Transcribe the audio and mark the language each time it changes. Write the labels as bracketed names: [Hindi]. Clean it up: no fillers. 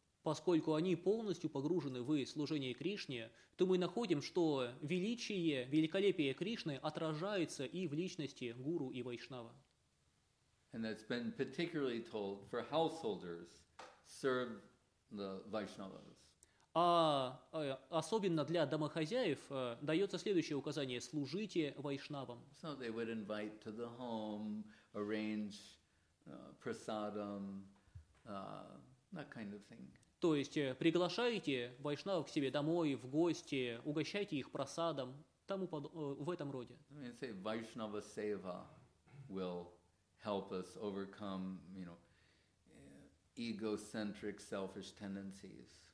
[Russian] Поскольку они полностью погружены в служение Кришне, то мы находим, что величие, великолепие Кришны отражается и в личности гуру и вайшнава. [English] And that's been particularly told for householders serve the Vaishnavas. [Russian] А особенно для домохозяев дается следующее указание: служите вайшнавам. [English] So they would invite to the home, arrange prasadam, that kind of thing. [Russian] То есть приглашаете вайшнавов к себе домой, в гости, угощайте их прасадом, тому в этом роде. [English] I mean, say Vaishnava seva will help us overcome, you know, egocentric, selfish tendencies.